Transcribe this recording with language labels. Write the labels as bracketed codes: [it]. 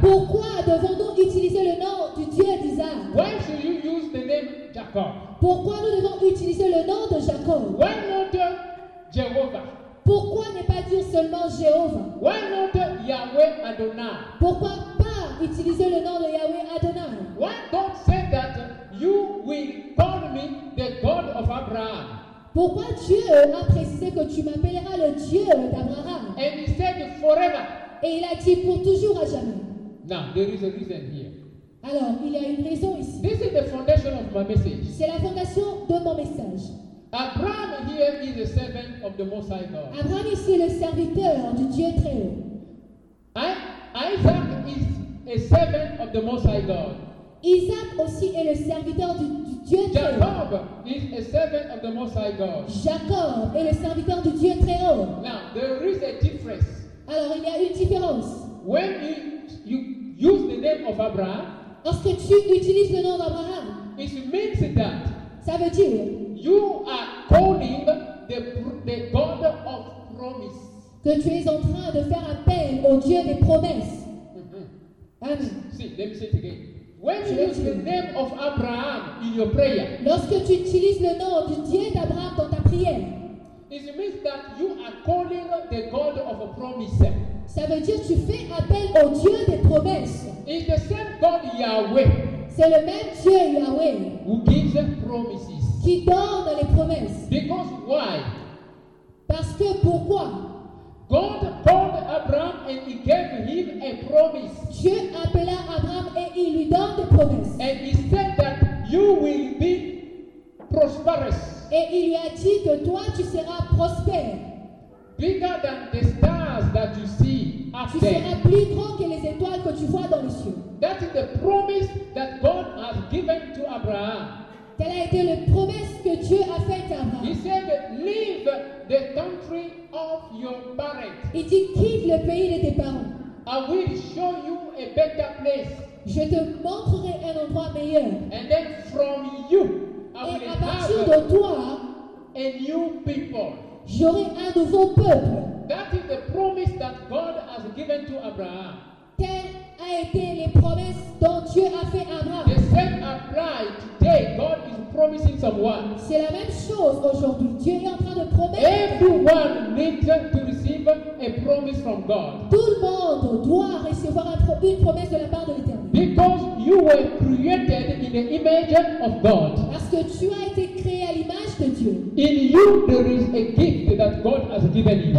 [fr] Pourquoi devons-nous utiliser le nom du Dieu d'Isaac? [en] Why should you use the name Jacob? [fr] Pourquoi nous devons utiliser le nom de Jacob? [en] Why not Jehovah? [fr] Pourquoi ne pas dire seulement Jéhovah? [en] Why not Yahweh Adonai? [fr] Pourquoi pas utiliser le nom de Yahweh Adonai? [en] Why don't say that you will call me the God of Abraham? [fr] Pourquoi Dieu a précisé que tu m'appelleras le Dieu d'Abraham? [en] And he said forever. [fr] Et il a dit pour toujours à jamais. [en] Now, there is a reason here. [fr] Alors, il y a une raison ici. [en] This is the foundation of my message. [fr] C'est la fondation de mon message. [en] Abraham here is the servant of the Most High God. [fr] Abraham ici est le serviteur du Dieu très haut. [en] Isaac is a servant of the Most High God. [fr] Isaac aussi est le serviteur du Dieu très haut. [en] Jacob is a servant of the Most High God. [fr] Jacob est le serviteur du Dieu très haut. [en] Now there is a difference. [fr] Alors il y a une différence. [en] When you use the name of Abraham, [fr] lorsque tu utilises le nom d'Abraham, [en] it means that [fr] ça veut dire [en] you are calling the God of promise. [fr] Que tu es en train de faire appel au Dieu des promesses. [en] Mm-hmm. Amen. See, let me say it again. When you use the name of Abraham in your prayer, [fr] lorsque tu utilises le nom du Dieu d'Abraham dans ta prière, [en] it means that you are calling the God of a promise. [fr] Ça veut dire que tu fais appel au Dieu des promesses. [en] It's the same God Yahweh. [fr] C'est le même Dieu Yahweh [en] who gives promises. [fr] Qui donne les promesses. [en] Because why? [fr] Parce que pourquoi? [en] God called Abraham and he gave him a promise. [fr] Dieu appela Abraham et il lui donne des promesses. [en] And he said that you will be prosperous. [fr] Et il lui a dit que toi tu seras prospère. [en] Bigger than the stars that you see up there. [fr] Tu seras plus grand que les étoiles que tu vois dans les cieux. [en] That is the promise that God has given to Abraham. [fr] Telle a été la promesse que Dieu a faite à Abraham. [en] He said, leave the country of your parents. [fr] Il dit quitte le pays de tes parents. [en] I will show you a better place. [fr] Je te montrerai un endroit meilleur. [en] And then from you, [fr] et à partir de toi, [en] a new people. [fr] J'aurai un nouveau peuple. [en] That is the promise that God has given to Abraham. [fr] Telle a été les promesses dont Dieu a fait Abraham. [en] The same apply today. God is promising someone. [fr] C'est la même chose aujourd'hui. Dieu est en train de promettre. [en] Everyone needs to receive a promise from God. [fr] Tout le monde doit recevoir une promesse de la part de l'Éternel. [en] Because you were created in the image of God. [fr] Parce que tu as été créé à l'image de Dieu. [en] In you there is a gift that God has given you.